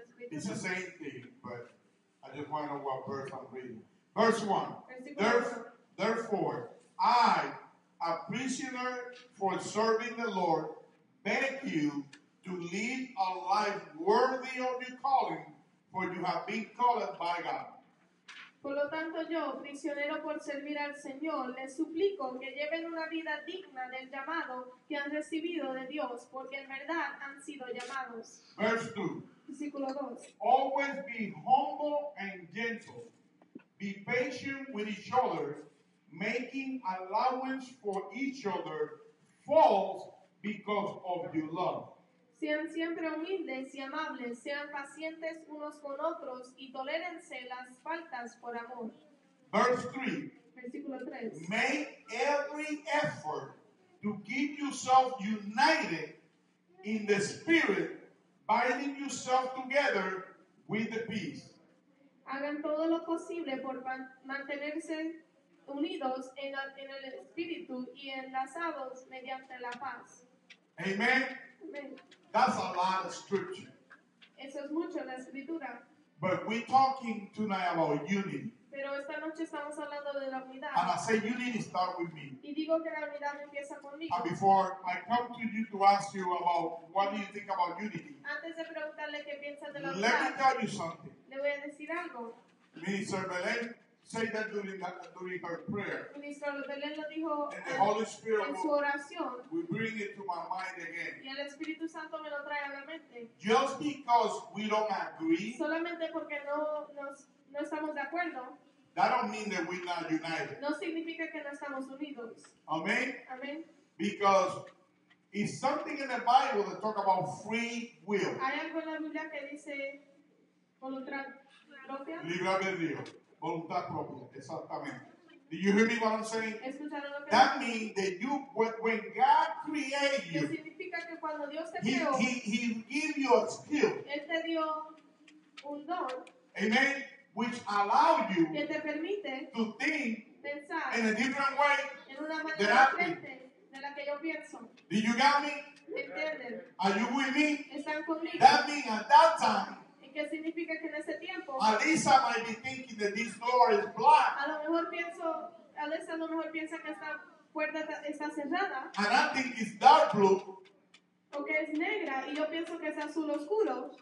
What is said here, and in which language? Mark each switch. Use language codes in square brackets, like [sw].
[en] It's the same thing, but I just want to know what verse I'm reading. Verse 1. Therefore, I, a prisoner for serving the Lord, beg you to lead a life worthy of your calling, for you have been called by God. [es] Por lo tanto, yo, prisionero por servir al Señor, les suplico que lleven una vida digna del llamado que han recibido de Dios, porque en verdad han sido llamados. [en] Verse 2. [es] Versículo 2. [en] Always be humble and gentle. Be patient with each other, making allowance for each other, faults because of your love. [es] Sean siempre humildes y amables, sean pacientes unos con otros y tolérense las faltas por amor. [en] Verse 3. [es] Versículo 3. [en] Make every effort to keep yourself united in the spirit, binding yourself together with the peace. [es] Hagan todo lo posible por mantenerse unidos en el espíritu y enlazados mediante la paz. Amen. Amen. [en] That's a lot of scripture. [es] Eso es mucho la escritura. [en] But we're talking tonight about unity. [es] Pero esta noche estamos hablando de la unidad. [en] And I say unity starts with me. [es] Y digo que la unidad empieza conmigo. [en] And before I come to you to ask you about what do you think about unity. [es] Antes de preguntarle qué piensas de la [en] let [es] unidad. [en] Let me tell you something. [es] Le voy a decir algo. [en] Minister Belén. say that during her prayer. [es] Ministro de Lela dijo, [en] and the Holy Spirit [es] en su oración, [en] will bring it to my mind again. [es] Y el Espíritu Santo me lo trae a la mente. [en] Just because we don't agree, [es] solamente porque no estamos de acuerdo, [en] that don't mean that we're not united. [es] No significa que no estamos unidos. Amen. Amen. [en] Because it's something in the Bible that talks about free will. [es] Hay algo en la Biblia que dice voluntad propia. Libre albedrío. Voluntad propia. Exactamente. [en] Do you hear me what I'm saying? [es] ¿Escucharon lo que [en] that me? Means that you, when God created you, [es] significa que cuando Dios te creó, [en] he gave you a skill. [es] Él te dio un don. [en] Amen. Which allow you [es] que te permite [en] to think [es] pensar [en] in a different way [es] en una manera diferente de la que yo pienso. [en] Do you got me? [es] ¿Entienden? [en] Are you with me? [es] ¿Están conmigo? [en] That means at that time, [es] ¿y qué significa que en ese tiempo, [en] Alisa might be thinking that this door is blocked. [es] A lo mejor pienso, Alisa a lo mejor piensa que esta puerta está cerrada. [en] And I think it's dark blue. [es] O que es negra y yo pienso que es azul oscuro.